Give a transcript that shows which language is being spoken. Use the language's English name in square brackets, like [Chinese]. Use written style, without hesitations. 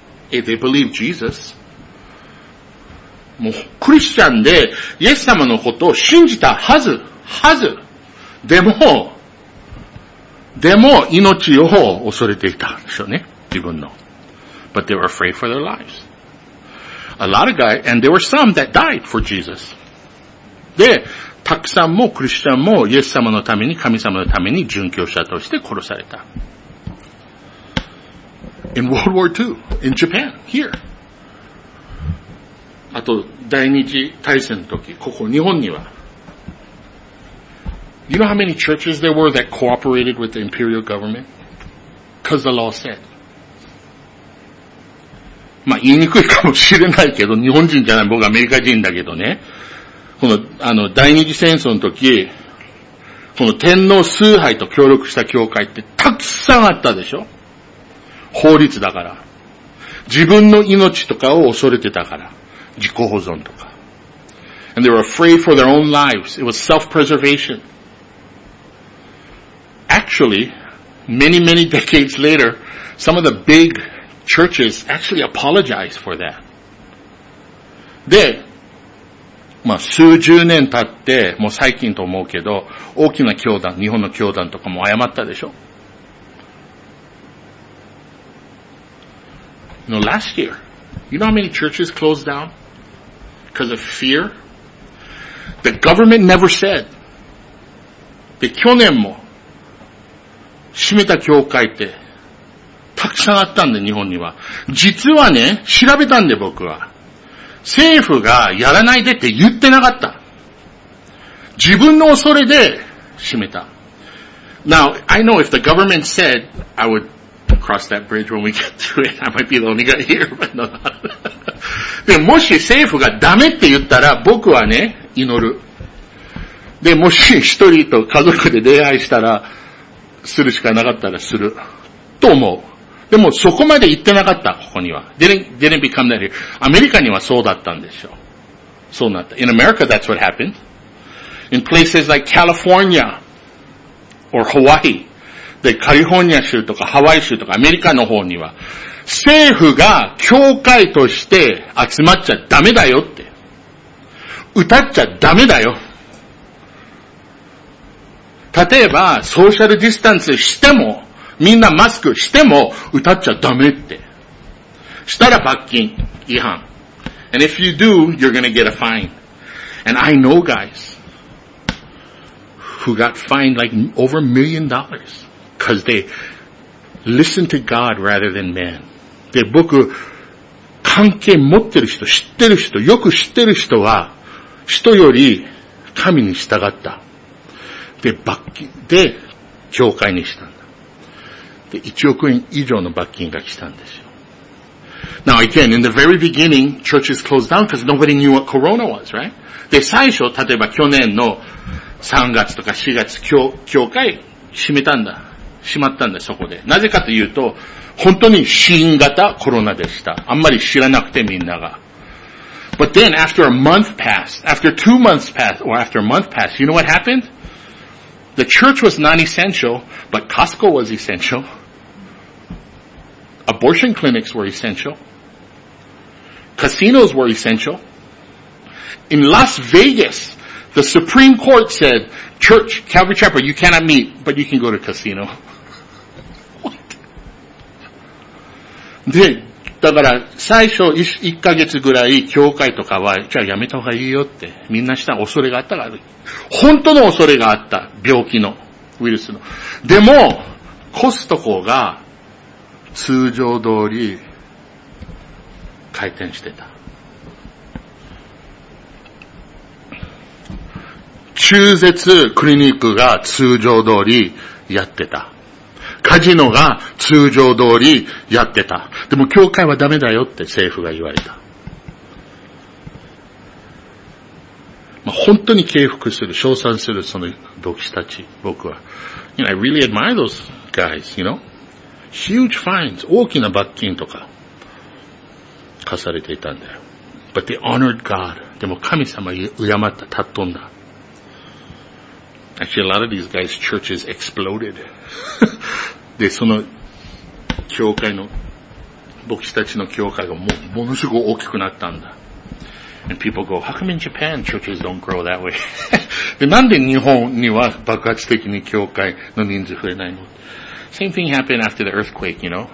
[English] If they believe Jesus, [Japanese] もうクリスチャンでイエス様のことを信じたはず。でも命を恐れていたでしょうね。自分の。 [English] But they were afraid for their lives. A lot of guys, and there were some that died for Jesus. [Japanese] で、たくさんもクリスチャンもイエス様のために、神様のために殉教者として殺された。 [English] In World War II, in Japan, here. [Japanese] あと、第二次大戦の時、ここ、日本には。 [English] You know how many churches there were that cooperated with the imperial government? Because the law said. [Japanese] まあ、言いにくいかもしれないけど、日本人じゃない、僕はアメリカ人だけどね。この、第二次戦争の時、この天皇崇拝と協力した教会ってたくさんあったでしょ？法律だから。自分の命とかを恐れてたから。自己保存とか。 [English] And they were afraid for their own lives. It was self-preservation. Actually, many, many decades later, some of the big churches actually apologized for that. [Japanese] で、まあ、数十年経って、もう最近と思うけど、大きな教団、日本の教団とかも謝ったでしょ？ [English] No, last year. You know how many churches closed down? Because of fear? The government never said. [Japanese] で、去年も閉めた教会ってたくさんあったんで、日本には。実はね、調べたんで僕は。政府がやらないでって言ってなかった。自分の恐れで閉めた。 [English] Now, I know if the government said, I wouldcross that bridge when we get to it. I might be the only guy here, but no. [Japanese] でもし政府がダメって言ったら僕はね祈る。でもし一人と家族で礼拝したらするしかなかったらすると思う。でもそこまで言ってなかったここには。 [English] Didn't become that here. [Japanese] アメリカにはそうだったんでしょう。そうなった。 [English] In America, that's what happened. In places like California or Hawaii. [Japanese] で、カリフォルニア州とかハワイ州とかアメリカの方には、政府が教会として集まっちゃダメだよって。歌っちゃダメだよ。例えば、ソーシャルディスタンスしても、みんなマスクしても、歌っちゃダメって。したら罰金、違反。 [English] And if you do, you're gonna get a fine. And I know guys, who got fined like over $1 million. Because they listen to God rather than man. [Japanese] で、僕、関係持ってる人、知ってる人、よく知ってる人は、人より神に従った。で、罰金、で、教会にしたんだ。で、1億円以上の罰金が来たんですよ。 [English] Now again, in the very beginning, churches closed down because nobody knew what corona was, right? [Japanese] で、最初、例えば去年の3月とか4月、教会閉めたんだ。しまったんだ、そこで。なぜかというと、本当に新型コロナでした。あんまり知らなくて、みんなが。 [English] But then, after a month passed, after 2 months passed, or after a month passed, you know what happened? The church was non-essential, but Costco was essential. Abortion clinics were essential. Casinos were essential. In Las Vegas, the Supreme Court said, Church, Calvary Chapel, you cannot meet, but you can go to casino. [Japanese] で、だから、最初 1ヶ月ぐらい、教会とかは、じゃあやめた方がいいよって、みんなした恐れがあったから、本当の恐れがあった、病気の、ウイルスの。でも、コストコが、通常通り、回転してた。中絶クリニックが通常通り、やってた。カジノが通常通りやってた。でも教会はダメだよって政府が言われた。まあ、本当に敬服する、称賛するその牧師たち、僕は。 [English] You know, I really admire those guys, you know? Huge fines, [Japanese] 大きな罰金とか、課されていたんだよ。 [English] But they honored God. [Japanese] でも神様敬った、たっとんだ。 [English] Actually, a lot of these guys' churches exploded. [Japanese] で、その、教会の、牧師たちの教会がものすごく大きくなったんだ。 [English] And people go, how come in Japan churches don't grow that way? [Japanese] で、なんで日本には爆発的に教会の人数増えないの? [English] Same thing happened after the earthquake, you know.